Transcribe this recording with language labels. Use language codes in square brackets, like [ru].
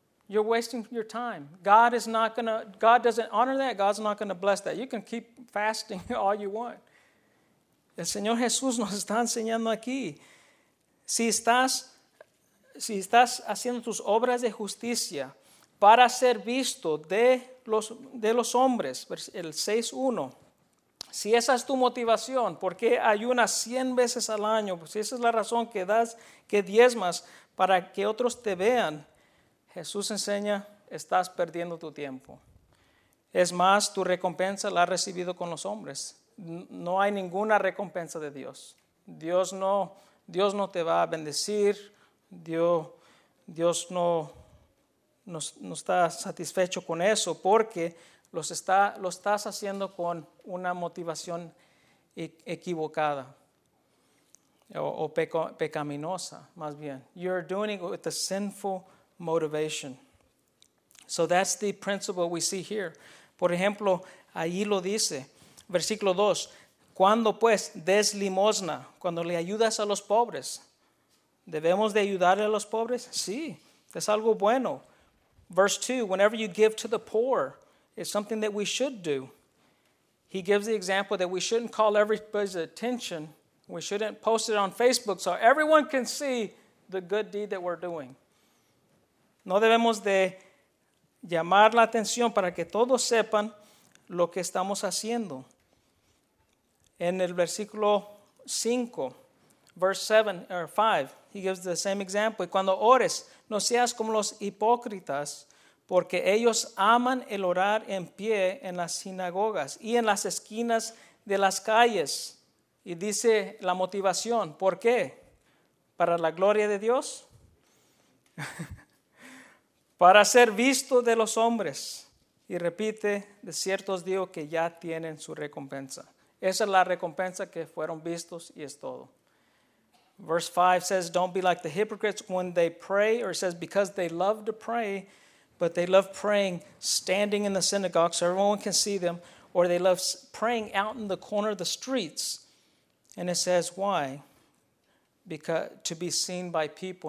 [en] You're wasting your time. God doesn't honor that. God's not going to bless that. You can keep fasting all you want. [es] El Señor Jesús nos está enseñando aquí. Si estás haciendo tus obras de justicia para ser visto de los hombres, el 6:1, si esa es tu motivación, ¿por qué ayunas 100 veces al año? Si esa es la razón que das, que diezmas para que otros te vean, Jesús enseña, estás perdiendo tu tiempo. Es más, tu recompensa la has recibido con los hombres. No hay ninguna recompensa de Dios. Dios no te va a bendecir. Dios no está satisfecho con eso porque lo estás haciendo con una motivación equivocada o pecaminosa, más bien. [en] You're doing it with a sinful motivation. So that's the principle we see here. [es] Por ejemplo, ahí lo dice, versículo 2, cuando pues des limosna, cuando le ayudas a los pobres, ¿debemos de ayudarle a los pobres? Sí, es algo bueno. [en] Verse 2, whenever you give to the poor, it's something that we should do. He gives the example that we shouldn't call everybody's attention. We shouldn't post it on Facebook so everyone can see the good deed that we're doing. [es] No debemos de llamar la atención para que todos sepan lo que estamos haciendo. En el versículo 5, [en] verse 7 or 5, he gives the same example. [es] Y cuando ores, no seas como los hipócritas, porque ellos aman el orar en pie en las sinagogas y en las esquinas de las calles. Y dice la motivación, ¿por qué? ¿Para la gloria de Dios? Para ser visto de los hombres. Y repite, de cierto os digo que ya tienen su recompensa. Esa es la recompensa, que fueron vistos y es todo. [en] Verse 5 says, don't be like the hypocrites when they pray, or it says, because they love to pray, but they love praying standing in the synagogue so everyone can see them, or they love praying out in the corner of the streets. And it says, why? Because to be seen by people.